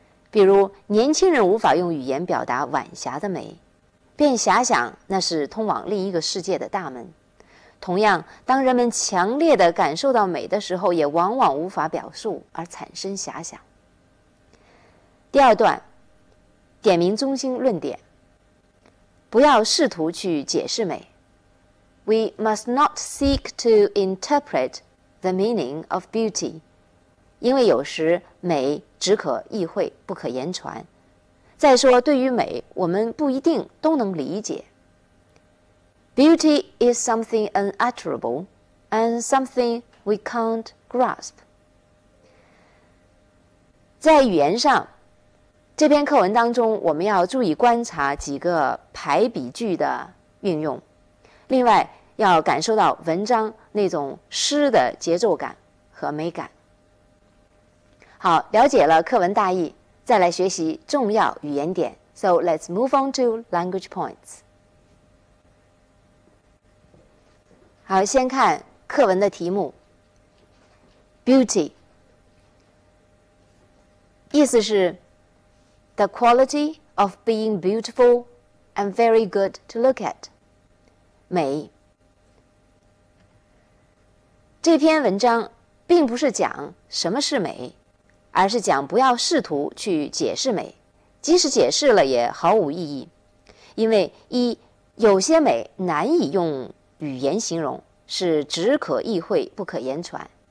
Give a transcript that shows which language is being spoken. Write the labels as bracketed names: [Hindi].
[Chinese] 比如年轻人无法用语言表达晚霞的美，便遐想那是通往另一个世界的大门。同样，当人们强烈地感受到美的时候，也往往无法表述而产生遐想。第二段点名中心论点，不要试图去解释美， [English] We must not seek to interpret the meaning of beauty. [Chinese] 因为有时美只可意会不可言传。再说对于美我们不一定都能理解。 [English] Beauty is something unutterable and something we can't grasp. [Chinese] 在语言上这篇课文当中我们要注意观察几个排比句的运用。另外要感受到文章那种诗的节奏感和美感。好，了解了课文大意，再来学习重要语言点。 [English] So let's move on to language points. [Chinese] 好，先看课文的题目。 [English] Beauty. [Chinese] 意思是 [English] The quality of being beautiful and very good to look at. [Chinese] 美。这篇文章并不是讲什么是美，而是讲不要试图去解释美，即使解释了也毫无意义。因为一，有些美难以用语言形容，是只可意会不可言传。